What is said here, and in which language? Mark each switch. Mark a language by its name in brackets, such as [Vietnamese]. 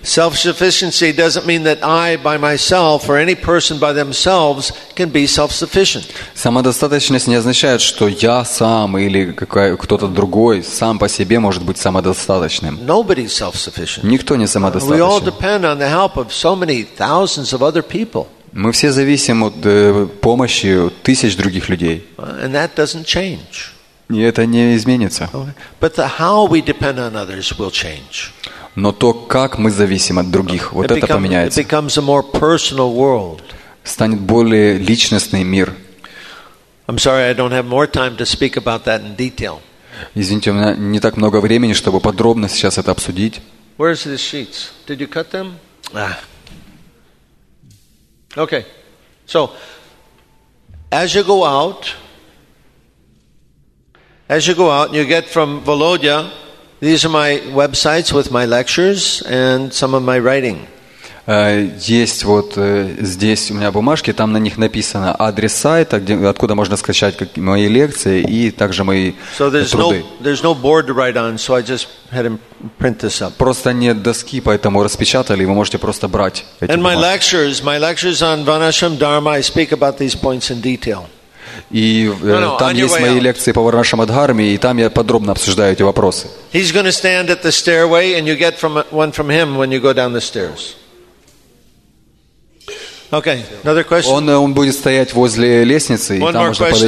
[English] Self-sufficiency doesn't mean that I by myself or any person by themselves can be self-sufficient. [Russian] Самодостаточность не означает, что я сам или кто-то другой сам по себе может быть самодостаточным. [English] Nobody's self-sufficient. [Russian] Никто не самодостаточен. [English] We all depend on the help of so many thousands of other people. [Russian] Мы все зависим от помощи тысяч других людей. [English] And that doesn't change. [Russian] И это не изменится. [English] But the how we depend on others will change. [Russian] Но то, как мы зависим от других, вот это поменяется. [English] It becomes a more personal world. [Russian] Станет более личностный мир. [English] I'm sorry, I don't have more time to speak about that in detail. [Russian] Извините, у меня не так много времени, чтобы подробно сейчас это обсудить. [English] Where are the sheets? Did you cut them? Okay. So, as you go out, you get from Volodya, these are my websites with my lectures and some of my writing. [Russian] Есть вот здесь у меня бумажки, там на них написано адрес сайта, откуда можно скачать мои лекции и также мои труды. [English] So there's no board to write on, so I just had him print this up. [Russian] Просто нет доски, поэтому распечатали, вы можете просто брать эти бумажки. [English] And my lectures on Varnashram Dharma, I speak about these points in detail. [Russian] И там есть мои лекции по Варнашрама Дхарме, и там я подробно обсуждаю эти вопросы. [English] He's going to stand at the stairway, and you get one from him when you go down the stairs. Okay, another question. [Russian] Он будет стоять возле лестницы, и там можно подойти.